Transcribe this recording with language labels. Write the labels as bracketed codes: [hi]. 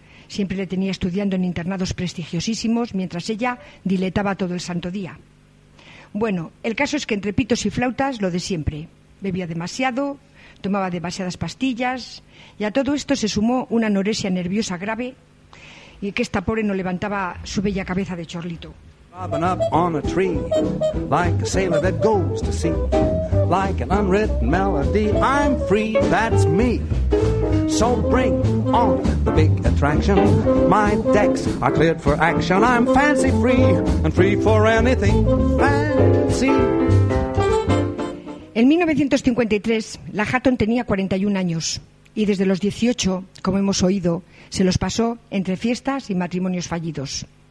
[es] Siempre le tenía estudiando en internados prestigiosísimos mientras ella diletaba todo el santo día. Bueno, el caso es que entre pitos y flautas, lo de siempre. Bebía demasiado, tomaba demasiadas pastillas y a todo esto se sumó una anorexia nerviosa grave y que esta pobre no levantaba su bella cabeza de chorlito. [en] Bobbing up on a tree, like a sailor that goes to sea, like an unwritten melody, I'm free, that's me. So bring on the big attraction, my decks are cleared for action, I'm fancy free, and free for anything, fancy. [es] En 1953, la Hatton tenía 41 años, y desde los 18, como hemos oído, se los pasó entre fiestas y matrimonios fallidos.